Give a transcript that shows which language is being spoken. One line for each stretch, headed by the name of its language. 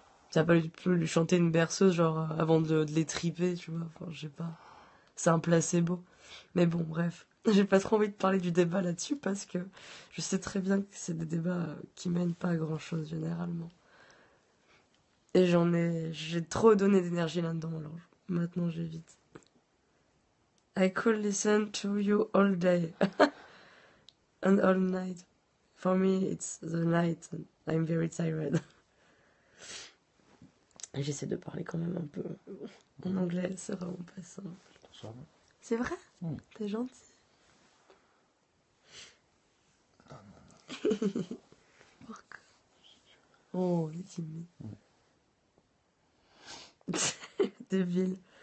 French: T'as pas lui chanter une berceuse, genre, avant de l'étriper, tu vois. Enfin, je sais pas. C'est un placebo. Mais bon, bref. J'ai pas trop envie de parler du débat là-dessus, parce que je sais très bien que c'est des débats qui mènent pas à grand-chose, généralement. Et j'ai trop donné d'énergie là-dedans, alors maintenant j'évite.
English: I could listen to you all day and all night. For me, it's the night and I'm very tired.
French: J'essaie de parler quand même un peu en anglais, c'est vraiment pas simple. C'est vrai? T'es gentil. Oh, les timides. Débile.